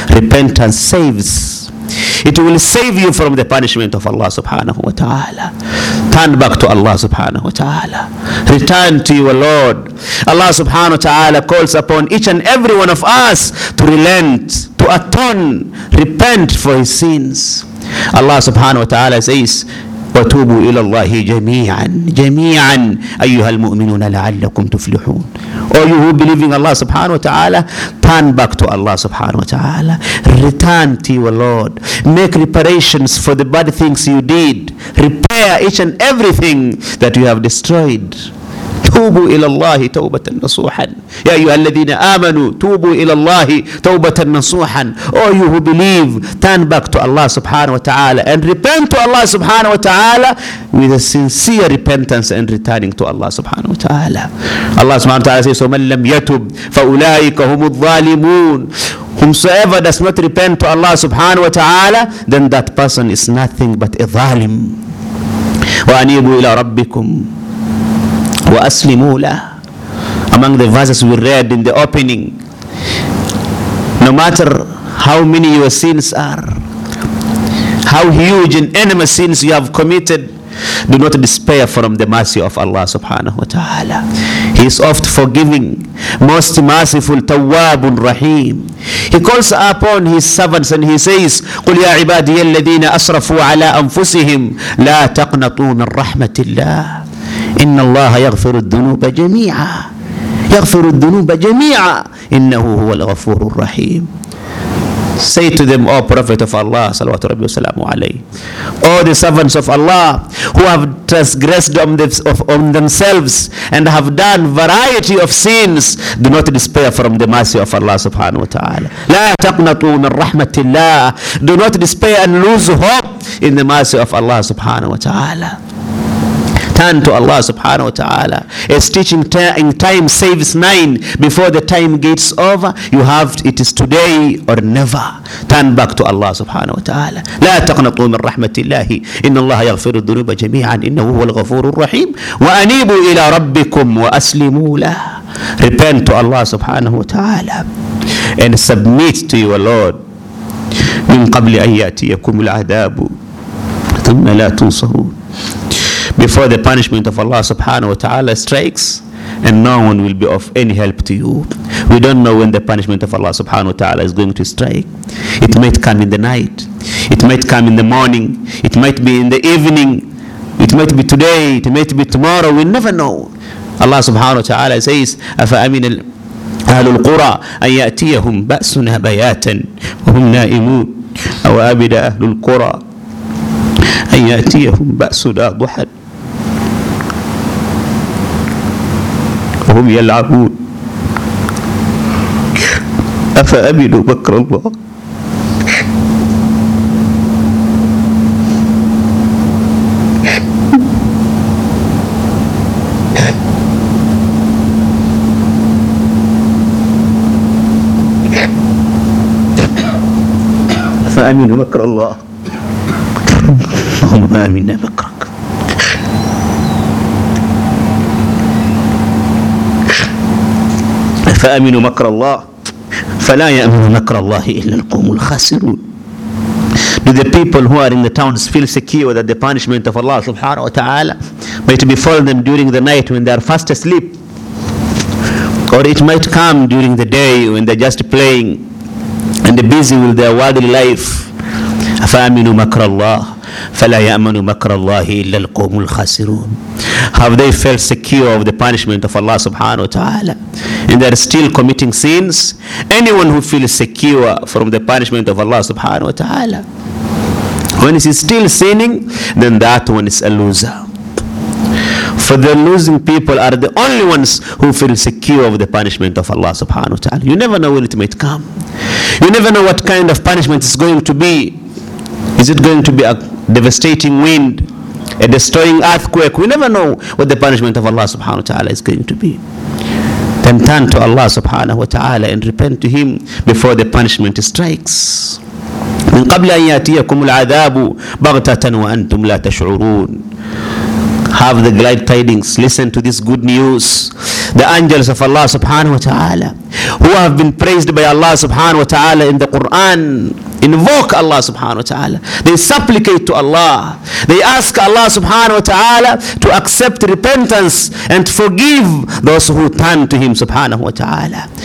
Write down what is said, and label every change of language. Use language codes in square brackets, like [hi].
[en] Repentance saves. It will save you from the punishment of Allah subhanahu wa ta'ala. Turn back to Allah subhanahu wa ta'ala. Return to your Lord. Allah subhanahu wa ta'ala calls upon each and every one of us to relent, to atone, repent for his sins. Allah subhanahu wa ta'ala says, [ar] وَتُوبُوا إِلَى اللَّهِ جَمِيعًا أَيُّهَا الْمُؤْمِنُونَ لَعَلَّكُمْ تُفْلِحُونَ. [en] All you who believe in Allah subhanahu wa ta'ala, turn back to Allah subhanahu wa ta'ala. Return to your Lord. Make reparations for the bad things you did. Repair each and everything that you have destroyed. [ar] توبوا إلى الله توبة نصوحا. يا أيها الذين آمنوا توبوا إلى الله توبة نصوحا. [en] Oh you who believe, turn back to Allah subhanahu wa ta'ala and repent to Allah subhanahu wa ta'ala with a sincere repentance and returning to Allah subhanahu wa ta'ala. Allah subhanahu wa ta'ala says, [ar] ومن لم يتب فأولئك هم الظالمون. [en] Whomsoever does not repent to Allah subhanahu wa ta'ala, then that person is nothing but a ظالم. [ar] وأنيبوا إلى ربكم وَأَسْلِمُوا لَهُ. [en] Among the verses we read in the opening, no matter how many your sins are, how huge and enormous sins you have committed, do not despair from the mercy of Allah subhanahu wa ta'ala. He is oft forgiving, most merciful, [ar] tawwabun rahim. [en] He calls upon his servants and he says, [ar] قُلْ يَا عِبَادِيَ الَّذِينَ أَسْرَفُوا عَلَىٰ أَنفُسِهِمْ لَا تَقْنَطُوا مِنْ رَحْمَةِ اللَّهِ. إن الله يغفر الذنوب جميعا يغفر الذنوب جميعا إنه هو الغفور الرحيم. [en] Say to them, O Prophet of Allah, [ar] salawatu rabbi wa salamu alayhi, [en] O the servants of Allah who have transgressed on themselves and have done variety of sins, do not despair from the mercy of Allah subhanahu wa ta'ala. [ar] La taqnatu min rahmatillah. [en] Do not despair and lose hope in the mercy of Allah subhanahu wa ta'ala. Turn to Allah subhanahu wa ta'ala. It's teaching in time saves nine. Before the time gets over, you have, it is today or never. Turn back to Allah subhanahu wa ta'ala. [ar] لا تقنطوا من رحمة الله إن الله يغفر الذنوب جميعا إنه هو الغفور الرحيم وأنيبوا إلى ربكم وأسلموا له. [en] Repent to Allah subhanahu wa ta'ala and submit to your Lord. [ar] من قبل أن يأتيكم العذاب ثم لا تنصرون. [en] Before the punishment of Allah subhanahu wa ta'ala strikes, and no one will be of any help to you. We don't know when the punishment of Allah subhanahu wa ta'ala is going to strike. It might come in the night. It might come in the morning. It might be in the evening. It might be today. It might be tomorrow. We never know. Allah subhanahu wa ta'ala says, [ar] أَفَأَمِنَ أَهْلُ الْقُرَىٰ أَنْ يَأْتِيَهُمْ بَأْسُنَا بَيَاتًا وَهُمْ نَائِمُونَ أَوْ أَبِدَ أَهْلُ الْقُرَىٰ أن يأتيهم بأسنا ضحى وهم يلعبون أفأمنوا مكر الله أفأمنوا مكر الله ما منا مكرك فأمنوا مكر الله فلا يأمن مكر الله إلا القوم الخاسرون. [en] Do the people who are in the towns feel secure that the punishment of Allah subhanahu wa ta'ala might befall them during the night when they are fast asleep, or it might come during the day when they're just playing and busy with their worldly life? [ar] فأمنوا مكر الله فلا يأمن مكر الله إلا القوم الخاسرون. [en] Have they felt secure of the punishment of Allah subhanahu wa ta'ala and they are still committing sins? Anyone who feels secure from the punishment of Allah subhanahu wa ta'ala when he's still sinning, then that one is a loser. For the losing people are the only ones who feel secure of the punishment of Allah subhanahu wa ta'ala. You never know when it might come. You never know what kind of punishment is going to be. Is it going to be a devastating wind, a destroying earthquake? We never know what the punishment of Allah subhanahu wa ta'ala is going to be. Then turn to Allah subhanahu wa ta'ala and repent to Him before the punishment strikes. [ar] من قبل أن يأتيكم العذاب بغتة وأنتم لا تشعرون. [en] Have the glad tidings. Listen to this good news. The angels of Allah subhanahu wa ta'ala, who have been praised by Allah subhanahu wa ta'ala in the Quran, invoke Allah subhanahu wa ta'ala. They supplicate to Allah. They ask Allah subhanahu wa ta'ala to accept repentance and to forgive those who turn to Him subhanahu wa ta'ala.